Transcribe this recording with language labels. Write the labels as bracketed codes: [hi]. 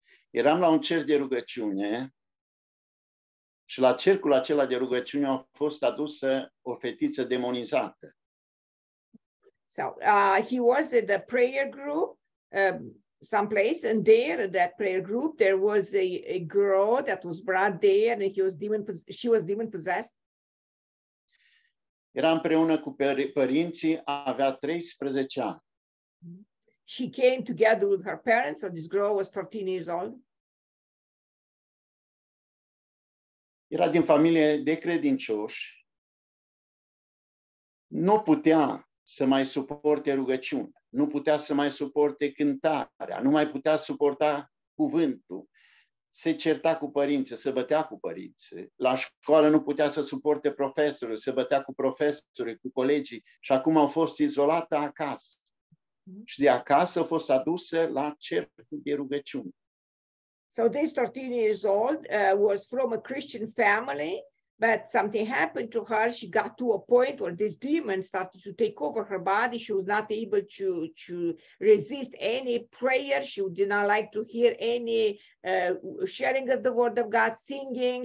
[ro] Eram la un cer de rugăciune. Și la cercul acela de rugăciune a fost adusă o fetiță demonizată. [en] So, he was at the prayer group, some place, and there, that prayer group, there was a girl that was brought there, and she was demon possessed. [ro] Era împreună cu părinții, avea 13 ani. [en] She came together with her parents, so this girl was 13 years old. [ro] Era din familie de credincioși, nu putea să mai suporte rugăciunea, nu putea să mai suporte cântarea, nu mai putea suporta cuvântul, se certa cu părinții, se bătea cu părinții, la școală nu putea să suporte profesorul, se bătea cu profesorii, cu colegii, și acum a fost izolată acasă. Și de acasă a fost adusă la cercul de rugăciune. [en] So this 13 years old was from a Christian family, but something happened to her. She got to a point where this demon started to take over her body. She was not able to resist any prayer. She did not like to hear any sharing of the word of God, singing.